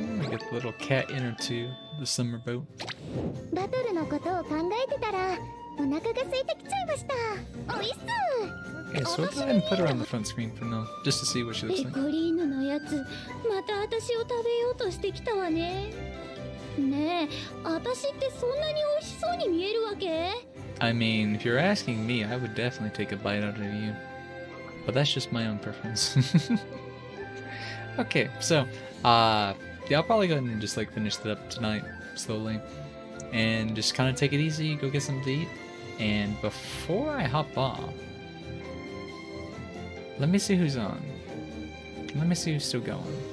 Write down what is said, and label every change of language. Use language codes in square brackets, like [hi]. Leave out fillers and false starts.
[en] Get the little cat in her too, the summer boat. [ja] Battle のことを考えてたらお腹が空いてきちゃいました。おいっす。 [en] Okay, so let's go ahead and put her on the front screen for now, just to see what she looks like. [ja] ペコリーヌのやつ、また私を食べようとしてきたわね。ねえ、私ってそんなに美味しそうに見えるわけ？ [en] I mean, if you're asking me, I would definitely take a bite out of you. but that's just my own preference. Okay, so, yeah, I'll probably go ahead and just, like, finish that up tonight, slowly, and just kind of take it easy, go get something to eat, and before I hop off, let me see who's on. Let me see who's still going.